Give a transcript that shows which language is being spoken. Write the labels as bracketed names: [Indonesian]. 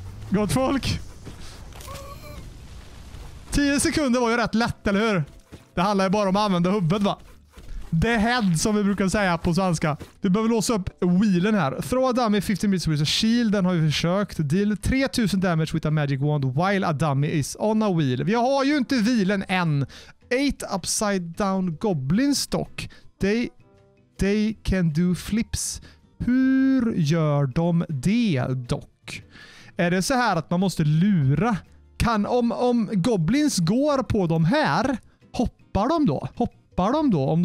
[Swedish] Gott folk. 10 sekunder var ju rätt lätt, eller hur? Det handlar ju bara om att använda huvudet, va? [English] The head, [Swedish] som vi brukar säga på svenska. Du behöver låsa upp wheelen här. [English] Throw a dummy 15 minutes with a shield. [Swedish] Den har vi försökt. [English] Deal 3000 damage with a magic wand while a dummy is on a wheel. [Swedish] Vi har ju inte wheelen än. 8 [English] upside down goblins [Swedish] dock. [English] They can do flips. [Swedish] Hur gör de det dock? Är det så här att man måste lura? Kan om goblins går på de här, hoppar de då? Hoppar de då?